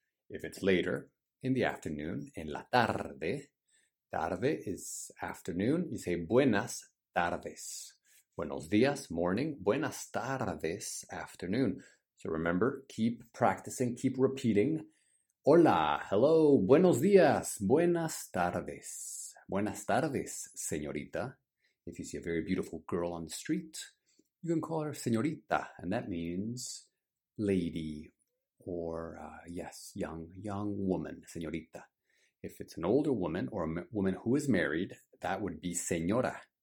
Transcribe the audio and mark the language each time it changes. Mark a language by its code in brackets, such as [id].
[en] If it's later, in the afternoon, [es] en la tarde. [en] Tarde is afternoon. You say, [es] buenas tardes. Buenos días, [en] morning. [es] Buenas tardes, [en] afternoon. So remember, keep practicing, keep repeating. [es] Hola, [en] hello, [es] buenos días, buenas tardes. Buenas tardes, señorita. [en] If you see a very beautiful girl on the street, you can call her señorita, and that means lady or, young woman, señorita. If it's an older woman or a woman who is married, that would be señora.